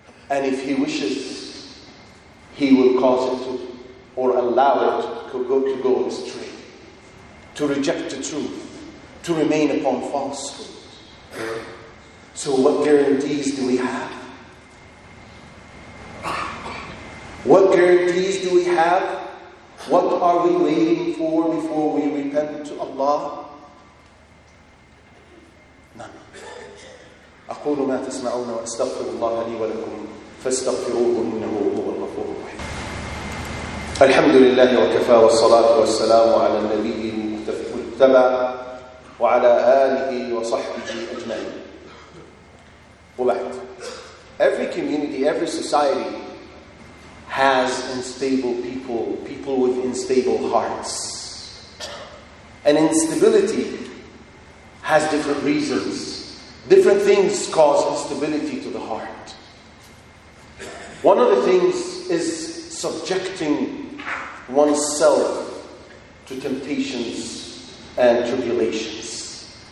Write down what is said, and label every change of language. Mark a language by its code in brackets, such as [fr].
[en] And if He wishes, He will cause it to, or allow it to go astray, to reject the truth, to remain upon falsehood. So what guarantees do we have? What guarantees do we have? What are we waiting for before we repent to Allah? None. [ar] أقول ما تسمعون وأستغفر الله لي ولكم. فاستغفروه إنه هو الغفور الرحيم. الحمد لله وكفى والصلاة والسلام على النبي المجتبى وعلى آله وصحبه أجمعين. وبعد. [en] Every community, every society has unstable people, people with unstable hearts. And instability has different reasons. Different things cause instability to the heart. One of the things is subjecting oneself to temptations and tribulations.